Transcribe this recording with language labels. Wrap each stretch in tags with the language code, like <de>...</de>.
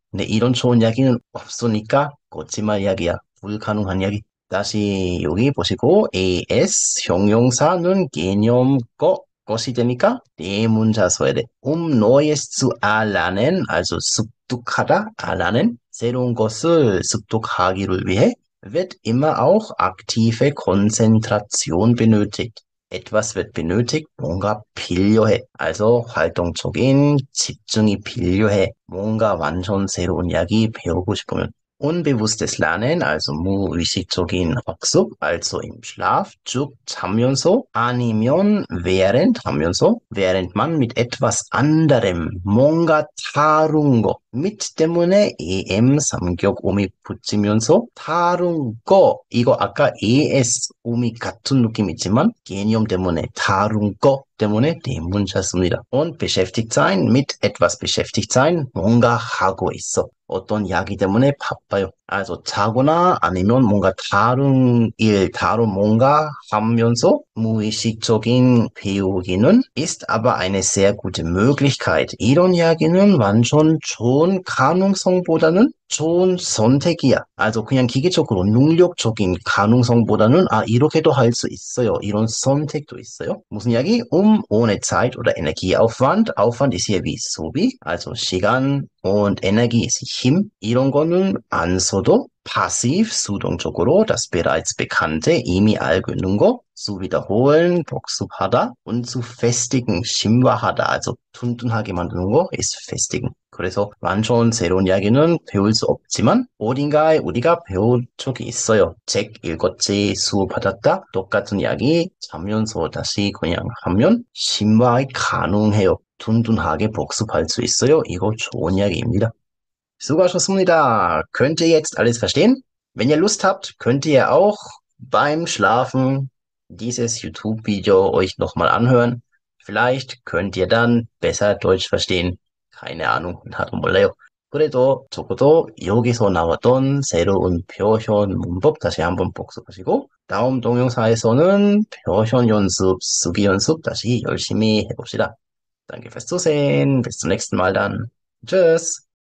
<ko>근데 이런 좋은 이야기는 없으니까 거짓말 이야기야. 불가능한 이야기. 다시 여기 보시고 AS 형용사는 개념 것이 되니까 네 문자 써야 돼.</ko> <de>Neues zu erlernen, also</de> <ko>습득하다,</ko> <de>erlernen,</de> <ko>새로운 것을 습득하기를 위해</ko> <de>wird immer auch aktive Konzentration benötigt. Etwas wird benötigt,</de> <ko>뭔가 필요해. Also 활동적인 집중이 필요해. 뭔가 완전 새로운 이야기 배우고 싶으면.</ko> <de>Unbewusstes Lernen,</de> <ko>also 무의식적인 학습, also</ko> <de>im Schlaf,</de> <ko>즉 자면서, 아니면 während, 하면서,</ko> <de>während man mit etwas anderem,</de> <ko>뭔가 다른 거, mit 때문에 em 삼격 오미 붙이면서, 다른 거, 이거 아까 es 오미 같은 느낌이지만, 개념 때문에, 다른 거 때문에 네 문자 씁니다.</ko> <de>Und beschäftigt sein, mit etwas beschäftigt sein,</de> <ko>뭔가 하고 있어. 어떤 이야기 때문에 바빠요. 그래서 자거나 아니면 뭔가 다른 일, 다른 뭔가 하면서 무의식적인 배우기는</ko> <de>ist aber eine sehr gute Möglichkeit.</de> <ko>이런 이야기는 완전 좋은 가능성보다는 좋은 선택이야. 그래서 그냥 기계적으로 능력적인 가능성보다는 아, 이렇게도 할수 있어요. 이런 선택도 있어요. 무슨 이야기?</ko> <de>Ohne Zeit oder Energieaufwand. Aufwand ist hier wie Sobi, also</de> <ko>시간.</ko> <de>Und Energie ist Him.</de> <ko>이런 거는 안 써도 passiv, 수동적으로,</ko> <de>das bereits Bekannte,</de> <ko>이미 알고 있는 거,</ko> <de>zu wiederholen,</de> <ko>복습하다,</ko> <de>und zu festigen,</de> <ko>심화하다, also 튼튼하게 만드는 거,</ko> <de>ist festigen.</de> <ko>그래서 완전 새로운 이야기는 배울 수 없지만, 어딘가에 우리가 배운 적이 있어요. 책 읽었지, 수업 받았다, 똑같은 이야기, 자면서 다시 그냥 하면, 심화가 가능해요. 둔둔하게 복습할 수 있어요. 이거 좋은 이야기입니다. 수고하셨습니다.</ko> <de>Könnt ihr jetzt alles verstehen? Wenn ihr Lust habt, könnt ihr auch beim Schlafen dieses YouTube-Video euch nochmal anhören. Vielleicht könnt ihr dann besser Deutsch verstehen. Keine Ahnung,</de> <ko>나도 몰라요. 그래도 적어도 여기서 나왔던 새로운 표현 문법 다시 한번 복습하시고 다음 동영상에서는 표현 연습, 수기 연습 다시 열심히 해봅시다.</ko> <de>Danke fürs Zusehen. Bis zum nächsten Mal dann. Tschüss.</de>